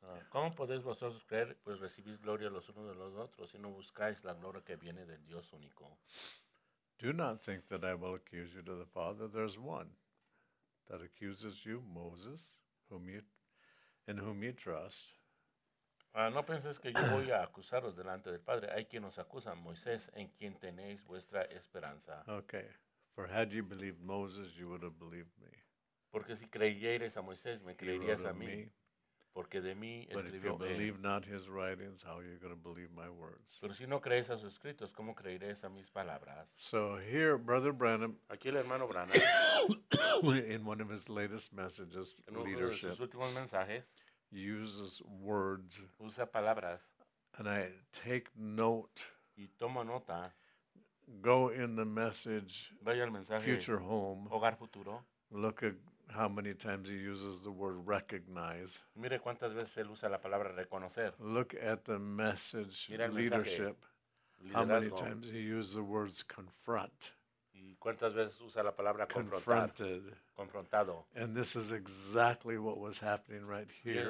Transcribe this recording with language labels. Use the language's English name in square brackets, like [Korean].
[Spanish] ¿Cómo podéis vosotros creer, pues recibís gloria los unos de los otros, si no buscáis la gloria que viene del Dios único? [English] Do not think that I will accuse you to the Father. There is one that accuses you, Moses, in whom you trust. [Spanish] No penséis que yo voy a acusaros delante del Padre. Hay quien os acusa, Moisés, en quien tenéis vuestra esperanza. [English] Okay. For had you believed Moses, you would have believed me. [Spanish] Porque si creyeres a Moisés, me creerías a mí. Porque de mí escribió él. [English] But if you believe not his writings, how are you going to believe my words? [Spanish] Pero si no crees a sus escritos, ¿cómo creeréis a mis palabras? [English] So here, Brother Branham, [Spanish] aquí el hermano Branham, [English] in one of his latest messages, [Spanish] en uno de sus últimos mensajes, [English] uses words. [Spanish] Usa palabras. [English] And I take note. [Spanish] Y tomo nota. [English] Go in the message. [Spanish] Vaya el mensaje. [English] Future home. [Spanish] Hogar futuro. [English] Look at how many times he uses the word recognize. [Spanish] Mire cuántas veces él usa la palabra reconocer. [English] Look at the message. [Spanish] Mira el mensaje. [English] Leadership. [Spanish] Liderazgo. [English] How many times he uses the words confront. [Spanish] ¿Y cuántas veces usa la palabra [English] confronted? [Spanish] Confrontado. [English] And this is exactly what was happening right here.